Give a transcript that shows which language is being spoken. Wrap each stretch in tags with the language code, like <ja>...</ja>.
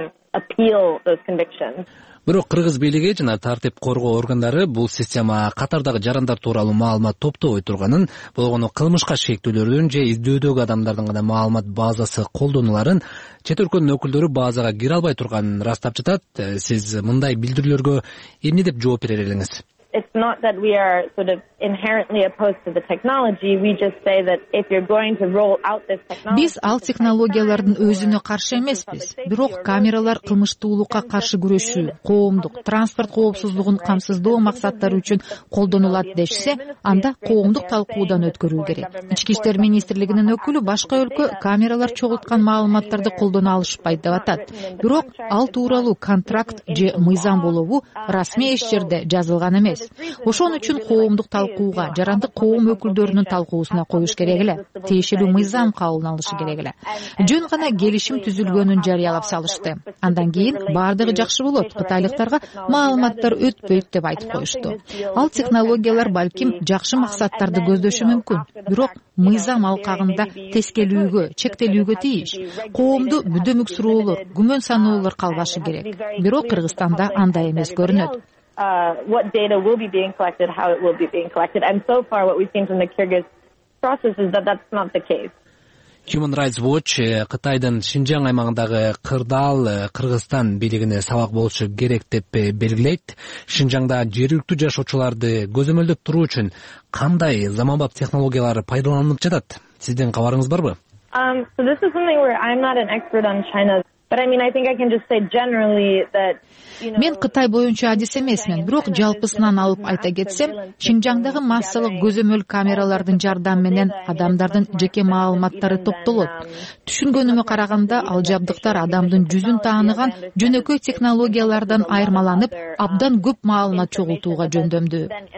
<ky>Бирок кыргыз бийлиги жана тартип коргоо органдары бул система катардагы жарандар тууралуу маалымат топтобой турганын, болгону кылмышка шектүүлөрдүн же издөөдөгү адамдардын гана маалымат базасы колдонуларын, чет өлкөнүн өкүлдөрү базага кире албай турганын ырастап жатат. Сиз мындай билдирүүлөргө эмне деп жооп берер элеңиз?</ky> <en>It's not that we are sort of inherently opposed to the technology. We just say that if you're going to roll out this technology,</en> <ky>биз ал технологиялардын өзүнө каршы эмеспиз. Бирок камералар кылмыштуулукка каршы күрөшүү, коомдук транспорт коопсуздугун камсыздоо максаттары үчүн колдонулат дешсе, анда коомдук талкуудан өткөрүү керек. Ички иштер министрлигинин өкүлү башка өлкө камералар чогулткан маалыматтарды колдоно алышпайт деп атат. Бирок ал тууралуу контракт же мыйзам болобу расмий эч жерде жазылган эмес. Ошон үчүн коомдук талкууга, жарандык коом өкүлдөрүнүн талкуусуна коюш керек эле. Тиешелүү мыйзам кабыл алынышы керек эле. Жөн гана келишим түзүлгөнүн жарыялап салышты. Андан кийин баардыгы жакшы болот, кытайлыктарга маалыматтар өтпөйт деп айтып коюшту. Ал технологиялар балким жакшы максаттарды көздөшү мүмкүн, бирок мыйзам алкагында тескелүүгө, чектелүүгө тийиш. Коомдо бүдөмүк суроолор, күмөн саноолор калбашы керек. Бирок Кыргызстанда андай эмес көрүнөт.</ky> <en>What data will be being collected, how it will be being collected, and so far what we've seen from the Kyrgyz process is that that's not the case.</en> <ky>Human Rights Watch Кытайдын Шинжаң аймагындагы кырдаал Кыргызстан бийлигине сабак болушу керек деп белгилейт. Шинжаңда жергиликтүү жашоочуларды көзөмөлдөп туруу үчүн кандай заманбап технологиялар пайдаланылып жатат? Сиздин кабарыңыз барбы?</ky> <en>So this is something where I'm not an expert on China. But I mean, I think I can just say generally that, you know,</en> <ky>мен Кытай боюнча адис эмесмин, бирок жалпысынан алып айта кетсем, Шинжаңдагы массалык көзөмөл камералардын жардамы менен адамдардын жеке маалыматтары топтолот. Түшүнгөнүмө караганда, ал жабдыктар адамдын жүзүн тааныган жөнөкөй технологиялардан айырмаланып, абдан көп маалымат чогултууга жөндөмдүү.</ky>